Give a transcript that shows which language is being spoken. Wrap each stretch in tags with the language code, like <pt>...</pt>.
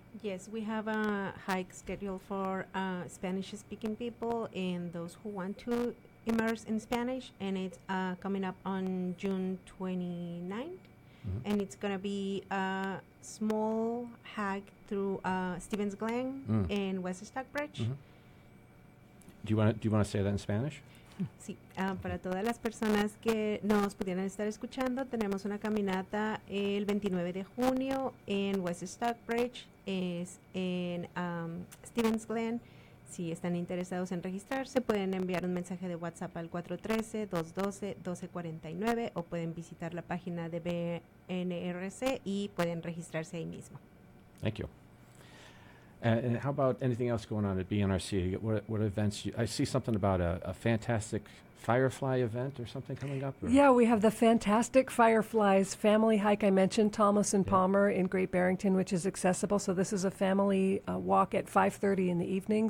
<en>Yes, we have a hike scheduled for Spanish-speaking people and those who want to immerse in Spanish, and it's coming up on June 29th, mm-hmm. and it's going to be a small hike through Stevens Glen and West Stockbridge. Mm-hmm. Do you want to say that in Spanish?</en> <es>Sí, para todas las personas que nos pudieran estar escuchando, tenemos una caminata el 29 de junio en West Stockbridge, es en Stevens Glen. Si están interesados en registrarse, pueden enviar un mensaje de WhatsApp al 413-212-1249 o pueden visitar la página de BNRC y pueden registrarse ahí mismo.</es> <en>Thank you. And how about anything else going on at BNRC? What events? I see something about a fantastic firefly event or something coming up. Yeah, we have the Fantastic Fireflies family hike. I mentioned Thomas and Palmer in Great Barrington, which is accessible. So this is a family walk at 5:30 in the evening.</en>